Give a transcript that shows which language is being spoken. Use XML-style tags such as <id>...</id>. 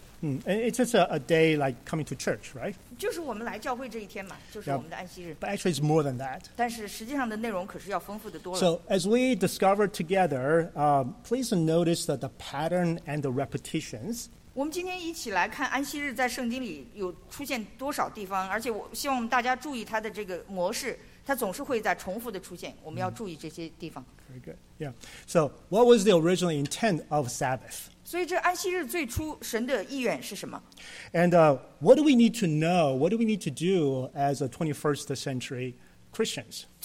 <en>And it's just a day like coming to church, right?</en> <zh>就是我们来教会这一天嘛，就是我们的安息日。</zh> <en>But actually, it's more than that.</en> <zh>但是实际上的内容可是要丰富的多了。</zh> <en>So as we discover together, please notice that the pattern and the repetitions.</en> <zh>我们今天一起来看安息日在圣经里有出现多少地方，而且我希望大家注意它的这个模式，它总是会在重复的出现。我们要注意这些地方。</zh> <en>Very good. Yeah. So what was the original intent of Sabbath?</en> <zh>所以这安息日最初神的意愿是什么？</zh> <en>And what do we need to know, what do we need to do as a 21st century Christians?</en>